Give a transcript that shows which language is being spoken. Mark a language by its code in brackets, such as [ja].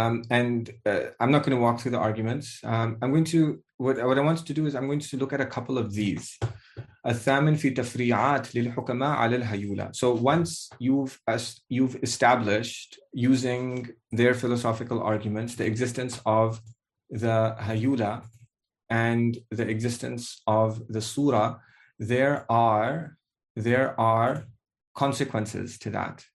[en] I'm not going to walk through the arguments. What I want to do is I'm going to look at a couple of these. [ar] الثامن في تفريعات للحكماء على الهيولة. [en] So once you've established using their philosophical arguments the existence of the hayula and the existence of the sura, there are consequences to that.